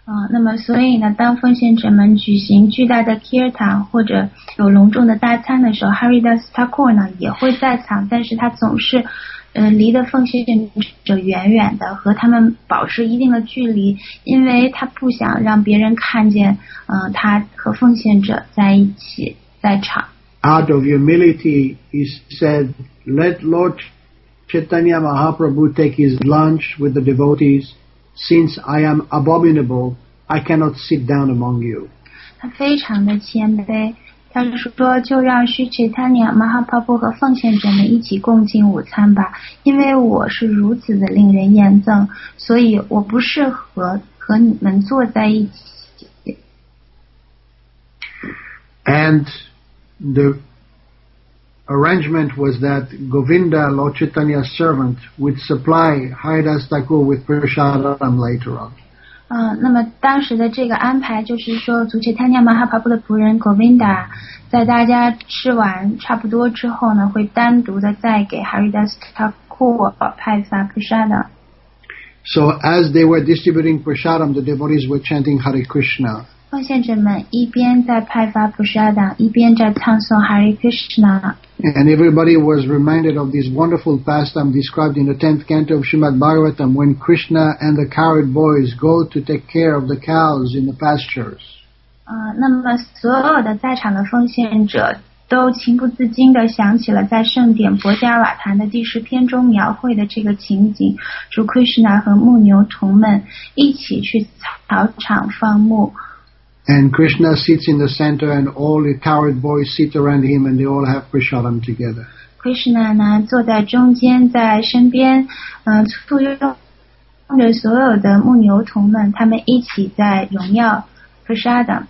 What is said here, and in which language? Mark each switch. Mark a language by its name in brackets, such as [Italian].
[Chinese] 那么所以呢，当奉献者们举行巨大的 kirtan 或者有隆重的大餐的时候 ，Haridas Thakur 呢也会在场，但是他总是，离的奉献者远远的，和他们保持一定的距离，因为他不想让别人看见，他和奉献者在一起在场。 [English] Out of humility, he said, "Let Lord Chaitanya Mahaprabhu take his lunch with the devotees." Since I am abominable, I cannot sit down among you. [Chinese] 他非常的谦卑，他说就让须切他尼亚马哈帕布和奉献者们一起共进午餐吧，因为我是如此的令人厌憎，所以我不适合和你们坐在一起。 [English] And the arrangement was that Govinda, Lord Chaitanya's servant, would supply Haridas Thakur with prasadam later on. [Chinese] 那么当时的这个安排就是说，主持坦尼亚马哈帕布的仆人 Govinda， 在大家吃完差不多之后呢，会单独的再给 Haridas Thakur 派发 prasadam。 [English] So as they were distributing prasadam, the devotees were chanting Hare Krishna. [Chinese] 奉献者们一边在派发普沙达，一边在唱诵 Hare Krishna。 [English] And everybody was reminded of this wonderful pastime described in the 10th canto of Srimad Bhagavatam when Krishna and the cowherd boys go to take care of the cows in the pastures. [Chinese] 那么所有的在场的奉献者都情不自禁地想起了在圣典博迦瓦坛的第十篇中描绘的这个情景，主 Krishna 和牧牛童们一起去草场放牧。 [English] And Krishna sits in the center and all the cowherd boys sit around him and they all have prasadam together. [Chinese] Krishna 呢坐在中间在身边簇拥着所有的牧牛童们，他们一起在荣耀 prasadam.